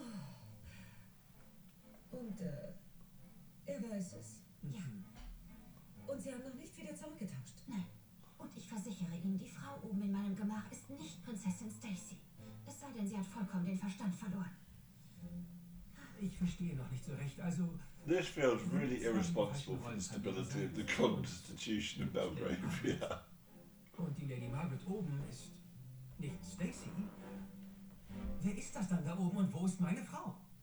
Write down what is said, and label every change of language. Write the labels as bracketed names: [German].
[German] Oh. Und er weiß es? Ja. Und sie haben noch nicht wieder zurückgetauscht? Nein. Und ich versichere Ihnen, die Frau oben in meinem Gemach ist nicht Prinzessin Stacy. Es sei denn, sie hat vollkommen den Verstand verloren. Ich verstehe noch nicht so recht, also... [English] This feels really irresponsible for the stability of the constitution of Belgravia. [German] Und die Lady Margaret oben ist nicht Stacy. Wer ist das dann da oben und wo ist meine Frau?